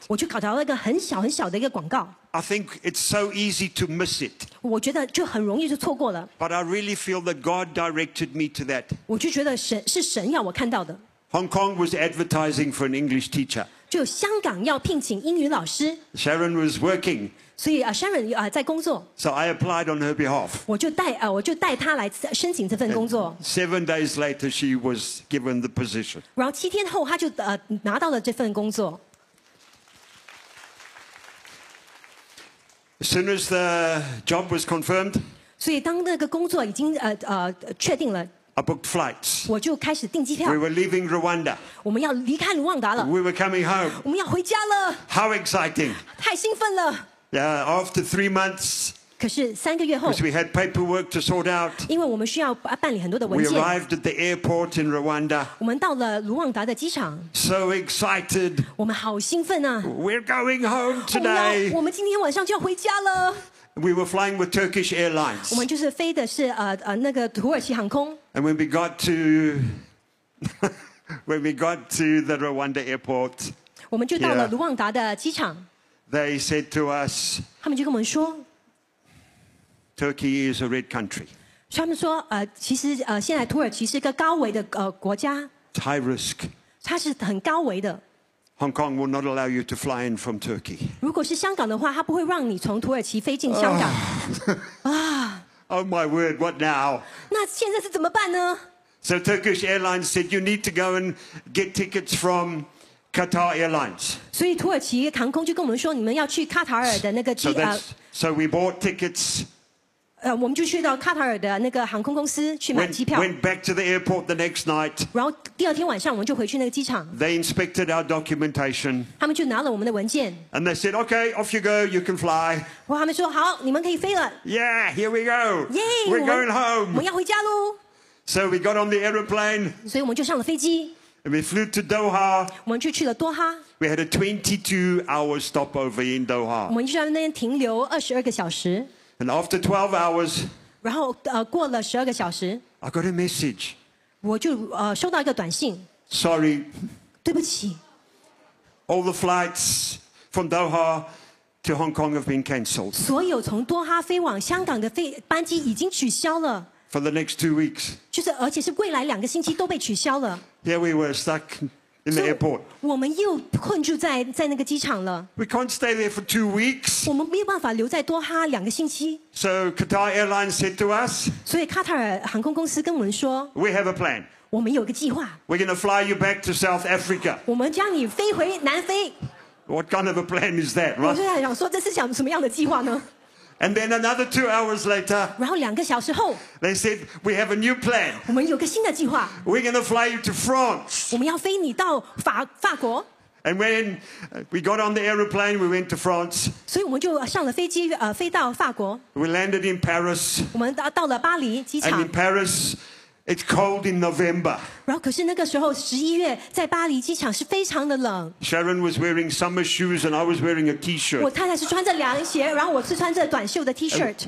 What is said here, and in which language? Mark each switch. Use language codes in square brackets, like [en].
[zh] 我就找到一个很小很小的一个广告。 [en] I think it's so easy to miss it。 [zh] 我觉得就很容易就错过了。 [en] But I really feel that God directed me to that。 [zh] 我就觉得是神要我看到的。 [en] Hong Kong was advertising for an English teacher。 [zh] 就香港要聘请英语老师。 [en] Sharon was working。 [zh] 所以Sharon在工作。 [en] So I applied on her behalf。 [zh] 我就带她来申请这份工作。 [en] 7 days later, she was given the position。 [zh] 然后七天后，她就拿到了这份工作。 [en] As soon as the job was confirmed。 [zh] 所以当那个工作已经确定了。 [en] I booked flights. [zh] 我就开始订机票。 [en] We were leaving Rwanda. [zh] 我们要离开卢旺达了。 [en] We were coming home. [zh] 我们要回家了。 [en] How exciting! [zh] 太兴奋了。 [en] Yeah, after 3 months. [zh] 可是三个月后。 [en] Because we had paperwork to sort out. [zh] 因为我们需要办理很多的文件。 [en] We arrived at the airport in Rwanda. [zh] 我们到了卢旺达的机场。 [en] So excited. [zh] 我们好兴奋啊。 [en] We're going home today. [zh] 我们今天晚上就要回家了。 [en] We were flying with Turkish Airlines. [zh] 我们就是飞的是那个土耳其航空。 [en] And when we got to when we got to the Rwanda airport, [zh] 我们就到了卢旺达的机场。 [en] They said to us, [zh] 他们就跟我们说 [en] ，Turkey is a red country. [zh] 他们说其实现在土耳其是一个高危的国家。 [en] High risk. [zh] 它是很高危的。 [en] Hong Kong will not allow you to fly in from Turkey. [zh] 如果是香港的话，他不会让你从土耳其飞进香港。 [en] Oh my word! What now? [zh] 那现在是怎么办呢 [en] ？So Turkish Airlines said you need to go and get tickets from Qatar Airlines. [zh] 所以土耳其航空就跟我们说，你们要去卡塔尔的那个机。 [en] So we bought tickets. [zh] 我们就去到卡塔尔的那个航空公司去买机票。 [en] Went back to the airport the next night. [zh] 然后第二天晚上我们就回去那个机场。 [en] They inspected our documentation. [zh] 他们就拿了我们的文件。 [en] And they said, "Okay, off you go. You can fly." [zh] 哇，他们说好，你们可以飞了。 [en] Yeah, here we go. Yay, we're going home. [zh] 我们要回家喽。 [en] So we got on the airplane. [zh] 所以我们就上了飞机。 [en] And we flew to Doha. [zh] 我们就去了多哈。 [en] We had a 22-hour stopover in Doha. [zh] 我们就在那边停留22个小时。 [en] And after 12 hours, [zh] 然后过了十二个小时 [en] ，I got a message. [zh] 我就收到一个短信。 [en] Sorry. [zh] 对不起。 [en] All the flights from Doha to Hong Kong have been cancelled. [zh] 所有从多哈飞往香港的班机已经取消了。 [en] For the next 2 weeks. [zh] 就是而且是未来两个星期都被取消了。 [en] Here we were stuck in the airport. [zh] 我们又困住在那个机场了。 [en] We can't stay there for 2 weeks. [zh] 我们没有办法留在多哈两个星期。 [en] So Qatar Airlines said to us. [zh] 所以卡塔尔航空公司跟我们说。 [en] We have a plan. [zh] 我们有个计划。 [en] We're going to fly you back to South Africa. [zh] 我们将你飞回南非。 [en] What kind of a plan is that, right? [zh] 我就在想说这是想什么样的计划呢？ [en] And then another 2 hours later, [zh] 然后两个小时后 [en] they said we have a new plan. [zh] 我们有个新的计划。 [en] We're going to fly you to France. [zh] 我们要飞你到法国。 [en] And when we got on the aeroplane, we went to France. [zh] 所以我们就上了飞机，飞到法国。 [en] We landed in Paris. [zh] 我们到了巴黎机场。 [en] And in Paris, it's cold in November. [zh] 然后可是那个时候十一月，在巴黎机场是非常的冷。 [en] Sharon was wearing summer shoes, and I was wearing a T-shirt. [zh] 我太太是穿着凉鞋，然后我是穿着短袖的 T-shirt.